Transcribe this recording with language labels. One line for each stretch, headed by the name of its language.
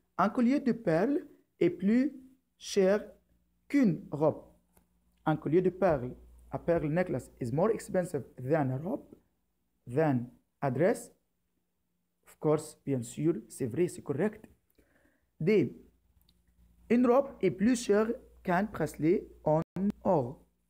French: Un collier de perles est plus cher qu'une robe. Un collier de perles,
English: a pearl necklace, is more expensive than a robe, than a dress. Of course,
French: bien sûr, c'est vrai, c'est correct. D. Une robe est plus chère qu'un bracelet en or.